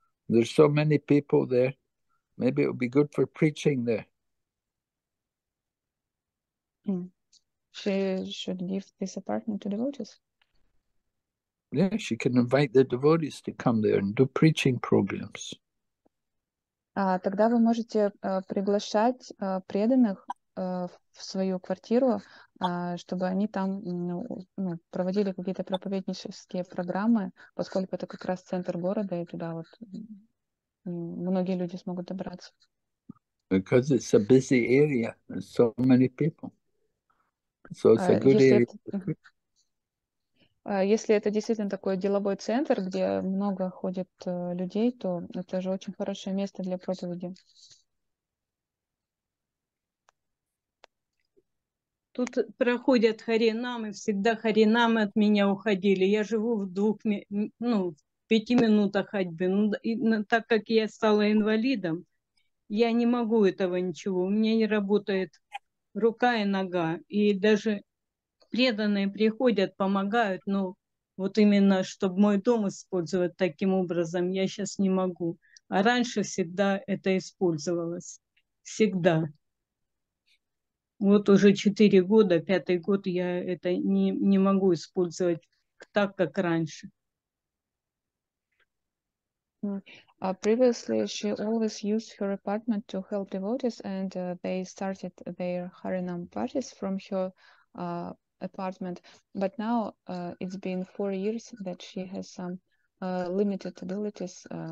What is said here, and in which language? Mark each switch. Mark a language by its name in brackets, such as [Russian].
[English] There's so many people there. Maybe it would be good for preaching there. She should give this apartment to devotees. Yeah, she can invite the devotees to come there and do preaching programs. [Russian] Тогда вы можете приглашать преданных в свою квартиру, чтобы они там проводили какие-то проповеднические программы, поскольку это как раз центр города, и туда вот многие люди смогут добраться. [English] Because it's a busy area, and so many people. So it's a good area. [Russian] Если это действительно такой деловой центр, где много ходит людей, то это же очень хорошее место для проповеди. Тут проходят харинамы, всегда харинамы от меня уходили. Я живу в двух, ну, в пяти минутах ходьбы. Ну, и, так как я стала инвалидом, я не могу этого ничего. У меня не работает рука и нога, и даже... Преданные приходят, помогают, но вот именно, чтобы мой дом использовать таким образом, я сейчас не могу. А раньше всегда это использовалось. Всегда. Вот уже 4 года, 5 год я это не могу использовать так, как раньше. [English] Previously, she always used her apartment to help devotees, and they started their Harinam parties from her apartment, but now it's been 4 years that she has some limited abilities.